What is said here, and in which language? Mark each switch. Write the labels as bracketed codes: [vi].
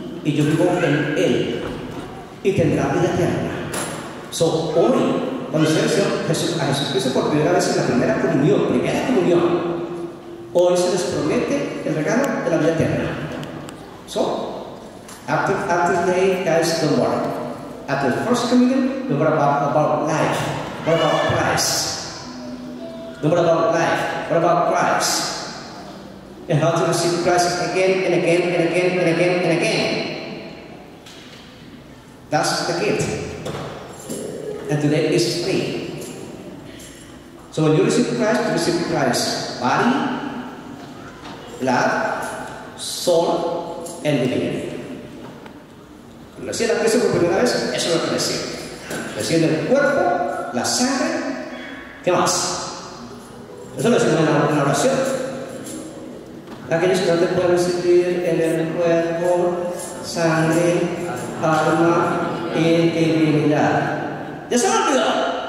[es] Y yo vivo en Él. Y tendrá vida eterna. So, hoy, cuando se recibió a Jesucristo por primera vez en la primera comunión, hoy se les promete el regalo de la vida eterna. [en] So, after today, guys, don't worry. After the first communion, don't worry about life. What about Christ? Don't worry about life. What about Christ? And how to receive Christ again and again and again and again and again. That's the gift. And today is free. So when you receive Christ body, blood, soul, and divinity. [es] Cuando recibe a Cristo por primera vez, eso es lo que recibe. Recibe el cuerpo, la sangre, ¿qué más? Eso lo decimos en la oración. Aquellos que no te pueden recibir en el cuerpo, sangre, alma y divinidad. ¡Ya se ha olvidado!